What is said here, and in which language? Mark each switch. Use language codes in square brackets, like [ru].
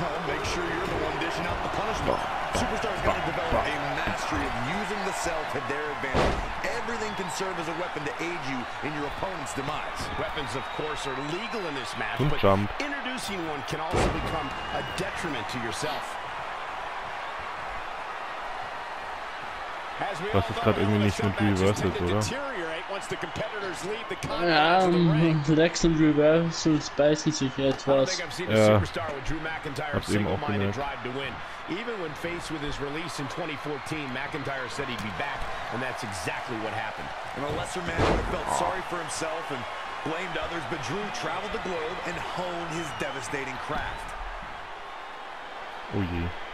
[en] Make sure you're the one dishing out the punishment. Superstars gotta develop a mastery of using the cell to their advantage. Everything can serve as a weapon to aid you in your opponent's demise. Weapons, of course, are legal in this match, but introducing one can also become a detriment to yourself. [de] Was ist gerade irgendwie nicht mit Reversals, oder? Ja, Legs und Reversals beißen sich etwas. Ja, hab's eben auch gemerkt. [en] Even when faced with his release in 2014, McIntyre said he'd be back, and that's exactly what happened. And a lesser man would have felt sorry for himself and blamed others, but Drew traveled the globe and honed his devastating craft. [de] Oh je.